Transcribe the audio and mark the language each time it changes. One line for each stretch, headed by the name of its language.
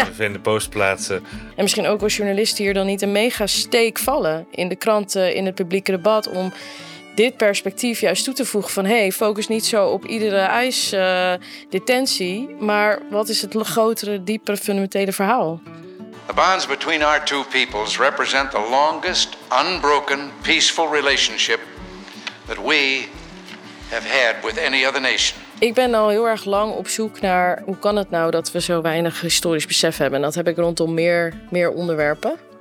Dutch: Een vervelende post plaatsen. En misschien ook als journalisten hier dan niet een mega steek vallen in de kranten, in het publieke debat, om dit perspectief juist toe te voegen van hey, focus niet zo op iedere ICE-detentie, maar wat is het grotere, diepere, fundamentele verhaal?
English: The bonds between our two peoples represent the longest unbroken peaceful relationship that we have had with any other nation.
Dutch: Ik ben al heel erg lang op zoek naar hoe kan het nou dat we zo weinig historisch besef hebben. En dat heb ik rondom meer onderwerpen.